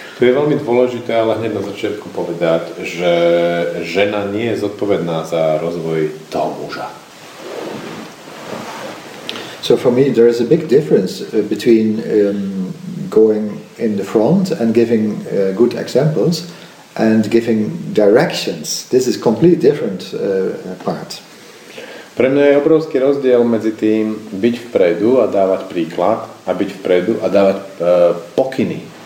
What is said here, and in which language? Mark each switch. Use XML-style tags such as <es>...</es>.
<sk>To je veľmi dôležité, ale hneď na začiatku povedať, že žena nie je zodpovedná za rozvoj toho muža.</sk> <en>So for me there is a big difference between going in the front and giving good examples and giving directions. This is completely different part.</en> <sk>Pre mňa je obrovský rozdiel medzi tým byť vpredu a dávať príklad a byť vpredu a dávať pokyny.</sk>